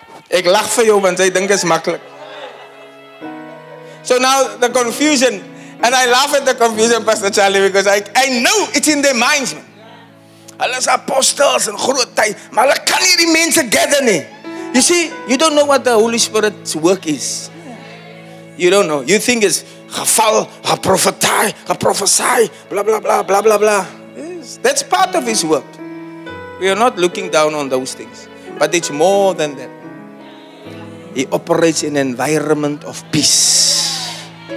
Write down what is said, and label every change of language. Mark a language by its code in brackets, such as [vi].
[af] Ek lag vir jou want jy dink is maklik. [en] So now the confusion, and I laugh at the confusion, Pastor Charlie, because I know it's in their minds, man. [af] Hulle is apostels en groot tyd, maar hulle kan nie die mense gather nie. [en] You see, you don't know what the Holy Spirit's work is. You don't know. You think it's geval, geprofetai, geprofesai, blah, blah, blah, blah, blah, blah. Yes, that's part of His work. We are not looking down on those things. But it's more than that. He operates in an environment of peace.